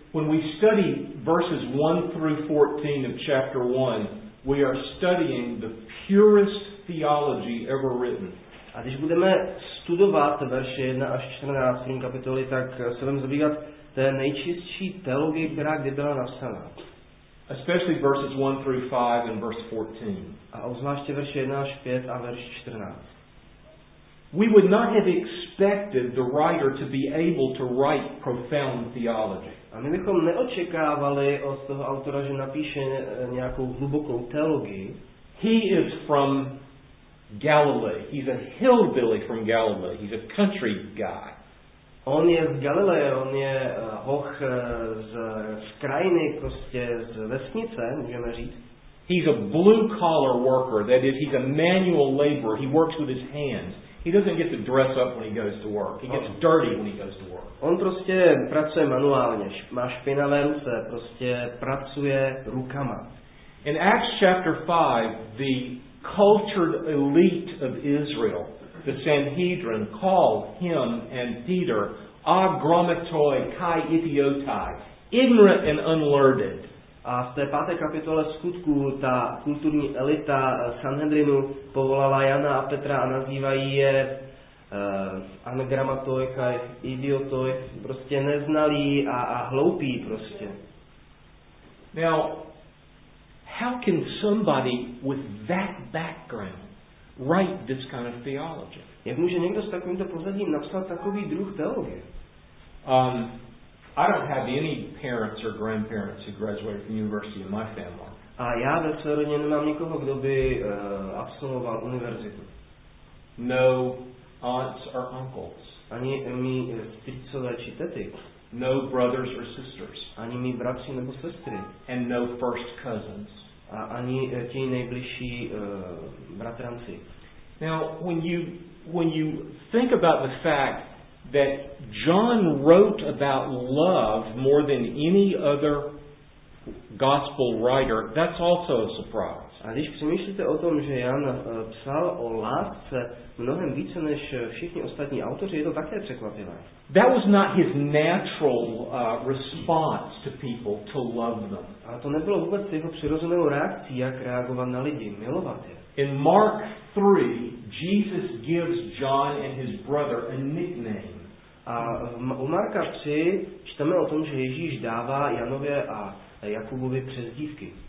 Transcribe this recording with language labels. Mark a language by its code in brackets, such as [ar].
[en] When we study verses 1 through 14 of chapter 1, we are studying the purest theology ever written. [cs] A když budeme studovat verše 1 až 14 kapitoly, tak se budeme zabývat té nejčistší teologii, která kdy byla napsaná. [en] Especially verses 1 through 5 and verse 14. [cs] A obzvláště verše 1 až 5 a verš 14. [en] We would not have expected the writer to be able to write profound theology. [cs] A my bychom neočekávali od toho autora, že napíše nějakou hlubokou teologii. [en] He is from Galilee. He's a hillbilly from Galilee. He's a country guy. [cs] On je z Galilee, on je hoch z krajiny, prostě z vesnice, můžeme říct. [en] He's a blue-collar worker, that is, he's a manual laborer. He works with his hands. He doesn't get to dress up when he goes to work. He gets dirty when he goes to work. [cs] On prostě pracuje manuálně, má špinavé ruce, prostě pracuje rukama. [en] In Acts chapter 5, the cultured elite of Israel, the Sanhedrin, called him and Peter [el] agrometoi kai idiotai, [en] ignorant and unlearned. [cs] A v té páté kapitole skutku ta kulturní elita Sanhedrinu povolala Jana a Petra a nazývají je [el] anagramatoi kai idiotoi, [cs] prostě neznalí a hloupí prostě. [en] Now, how can somebody with that background write this kind of theology? [cs] Jak může někdo s takovýmto pozadím napsat takový druh teologie? [en] I don't have any parents or grandparents who graduated from university in my family. [cs] A já ve své rodině nemám nikoho, kdo by absolvoval univerzitu. [en] No aunts or uncles. [cs] Ani mí strýcové či tety. [en] No brothers or sisters. [cs] Ani mí bratři nebo sestry. [en] And no first cousins. [cs] A ani ti nejbližší bratranci. [en] Now, when you think about the fact that John wrote about love more than any other gospel writer, that's also a surprise. [cs] A když přemýšlíte o tom, že Jan psal o lásce mnohem více než všichni ostatní autoři, je to také překvapivé. [en] That was not his natural response to people, to love them. [cs] A to nebylo vůbec jeho přirozenou reakcí, jak reagovat na lidi, milovat je. [en] In Mark 3, Jesus gives John and his brother a nickname. [cs] A u Marka 3 čteme o tom, že Ježíš dává Janově a Jakubovi přezdívky.